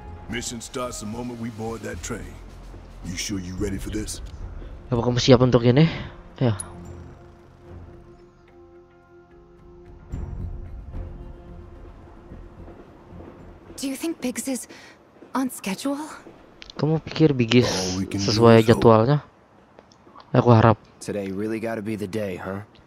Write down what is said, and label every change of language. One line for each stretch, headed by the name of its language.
English: Mission starts the moment we board that train. You sure you ready for this?
Indonesian: Apa kamu siap untuk ini? Ya.
English: Do you think Biggs is on schedule?
Indonesian: Kamu pikir Biggs sesuai jadwalnya? Aku harap.
English: Today really gotta be the day, huh?